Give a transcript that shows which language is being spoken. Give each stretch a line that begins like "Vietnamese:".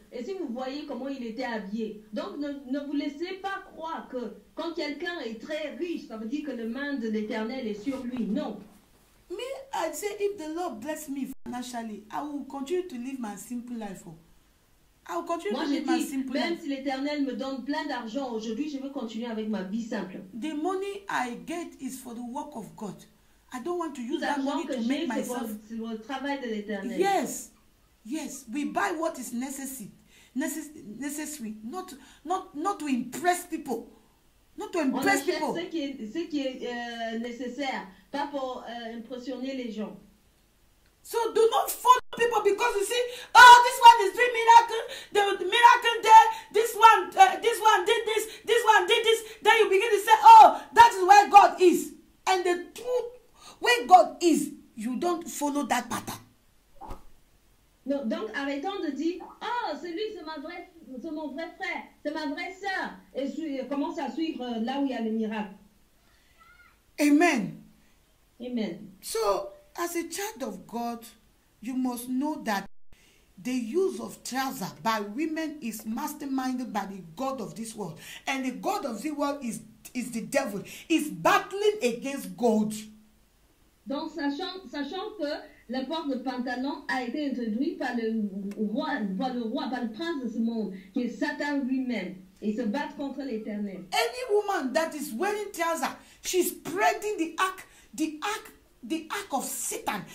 French: Et si vous voyez comment il était habillé. Donc ne vous laissez pas croire que quand quelqu'un est très riche, ça veut dire que la main de l'Éternel est sur lui. Non.
English: Me, I'd say if the Lord bless me financially, I will continue to live my simple life. I will continue my simple life.
French: Même si l'Éternel me donne plein d'argent aujourd'hui, je veux continuer avec ma vie simple.
English: The money I get is for the work of God. I don't want to use that money to make myself.
French: C'est le travail de l'Éternel.
English: Yes, yes. We buy what is necessary. Not to impress people. Not to impress people.
French: On achète ce qui est nécessaire, pas pour impressionner les gens.
English: So do not follow people because you see, oh, this one is doing miracle, the miracle there, this one did this, then you begin to say, oh, that is where God is. And the truth, where God is, you don't follow that pattern.
French: No, donc arrêtons de dire, oh, c'est lui, c'est mon vrai frère, c'est ma vraie soeur, et je commence à suivre là où il y a le miracle. Amen. Amen.
English: So, as a child of God, you must know that the use of trouser by women is masterminded by the God of this world. And the God of this world is the devil. He's battling against God.
French: Donc, sachant que la porte de pantalon a été introduite par le prince de ce monde, qui est Satan lui-même. Il se bat contre l'Éternel.
English: Any woman that is wearing trouser, she's spreading the act of Satan.